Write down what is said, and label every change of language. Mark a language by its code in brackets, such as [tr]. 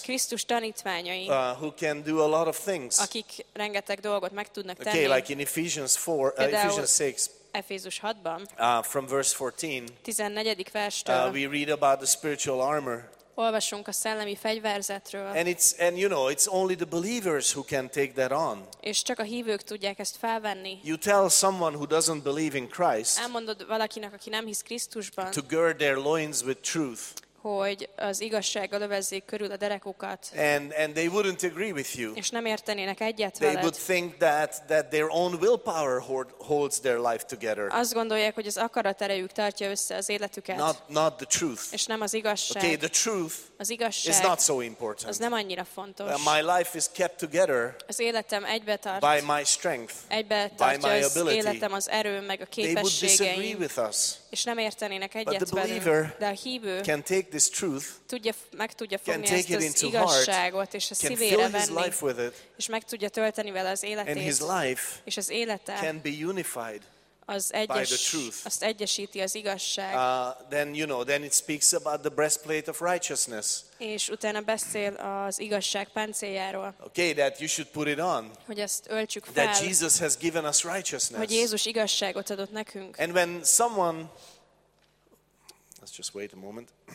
[hu] Krisztus tanítványai. [en] Who can do a lot of things. [hu] Akik rengeteg dolgot meg tudnak tenni. [en] Okay, like in Ephesians 4, Ephesians 6. [hu] Efézus 6-ban. [en] From verse 14. [hu] 14. verstől. [en] We read about the spiritual armor. [hu] Olvasunk a szellemi fegyverzetről. [en] And you know, it's only the believers who can take that on. [hu] És csak a hívők tudják ezt felvenni. [en] You tell someone who doesn't believe in Christ. [hu] Elmondod valakinek, aki nem hisz Krisztusban. [en] To gird their loins with truth. [hu] Hogy az igazsággal övezzék körül a derekukat. [en] And they wouldn't agree with you. [hu] És nem értenének egyet veled. [en] They would think that their own willpower holds their life together. [hu] Azt gondolják, hogy az akaraterejük tartja össze az életüket. [en] Not the truth. [hu] És nem az igazság. [en] Okay, the truth. [hu] Az igazság. [en] Is not so important. [hu] Az nem annyira fontos. [en] My life is kept together. [hu] Az életem egybe tart. [en] By my strength. [hu] Egybe [en] by my [hu] az [en] ability. [hu] Életem az erőm meg a képességeim. [en] They would disagree with us. [hu] És nem értenének egyet [en] but the believer [hu] velünk. De a hívő [en] can take this truth, [hu] meg tudja fogni ezt az igazságot, és a szívére venni, és meg tudja tölteni vele az életét, és az élete [en] can be unified [hu] az [en] by the truth. [hu] Azt egyesíti az igazság. [en] Then you know, then it speaks about the breastplate of righteousness. [hu] És utána beszél az igazság páncéljáról. [en] Okay, that you should put it on. [hu] Hogy ezt öltsük fel. [en] That Jesus has given us righteousness. [hu] Hogy Jézus igazságot adott nekünk. [en] And when someone, let's just wait a moment.